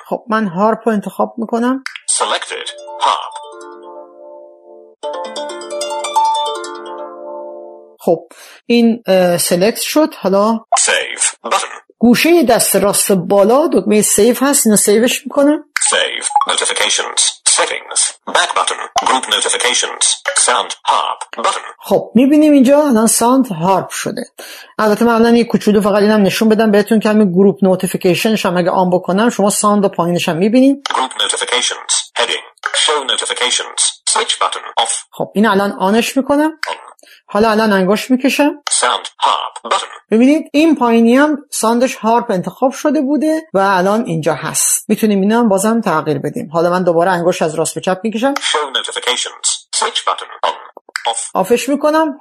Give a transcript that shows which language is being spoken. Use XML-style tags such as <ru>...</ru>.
<fa>خب من هارپ رو انتخاب میکنم.</fa> <en>Selected harp.</en> <fa>خب این سلیکت شد. حالا</fa> <en>save button</en> <fa>گوشه دست راست بالا دکمه سیف هست، اینو سیفش میکنم.</fa> <en>Save notifications settings back button group notifications sound harp button.</en> <fa>خب میبینیم اینجا الان ساند هارپ شده. البته من الان یه کوچولو فقط اینم نشون بدم بهتون که همین گروپ نوتیفیکیشنش هم اگه آن بکنم شما ساند رو پایینش هم میبینید.</fa> <en>Group notifications heading show notifications switch button off.</en> <fa>خب این الان آنش میکنم. حالا الان انگوش میکشم.</fa> <en>Sound harp button.</en> <fa>ببینید این پایینی هم ساندش هارپ انتخاب شده بوده و الان اینجا هست. میتونیم اینا هم بازم تغییر بدیم. حالا من دوباره انگوش از راست به چپ میکشم.</fa> <en>Show notifications. Switch button on. Off.</en> <fa>آفش میکنم.</fa>